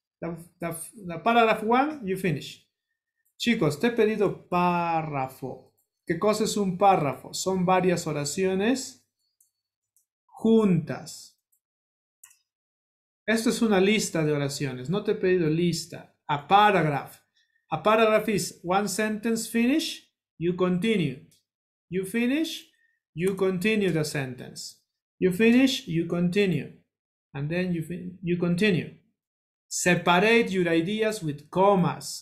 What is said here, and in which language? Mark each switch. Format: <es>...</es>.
<en>The paragraph one, you finish.</en> <es>Chicos, te he pedido párrafo. ¿Qué cosa es un párrafo? Son varias oraciones juntas. Esto es una lista de oraciones. No te he pedido lista.</es> <en>A paragraph. A paragraph is one sentence finish, you continue. You finish, you continue the sentence. You finish, you continue. And then you continue. Separate your ideas with commas.</en>